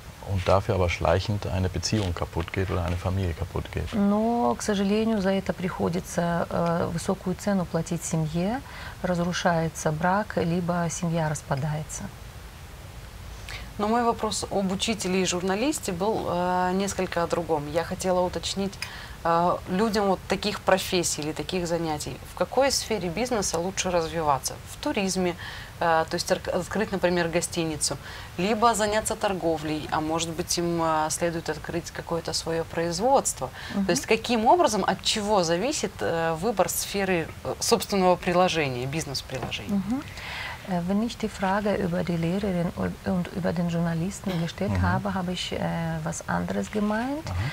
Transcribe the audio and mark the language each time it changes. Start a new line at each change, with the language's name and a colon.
German: Und dafür aber schleichend eine Beziehung kaputt geht oder eine Familie kaputt geht.
Russian: Но, к сожалению, за это приходится высокую цену платить семье, разрушается брак, либо семья распадается. Но мой вопрос об учителе и журналисте был несколько о другом. Я хотела уточнить людям вот таких профессий или таких занятий, в какой сфере бизнеса лучше развиваться? В туризме, то есть открыть, например, гостиницу, либо заняться торговлей, а может быть им следует открыть какое-то свое производство. То есть каким образом, от чего зависит выбор сферы собственного приложения, бизнес-приложения?
German: Wenn ich die Frage über die Lehrerin und über den Journalisten gestellt habe, habe ich was anderes gemeint.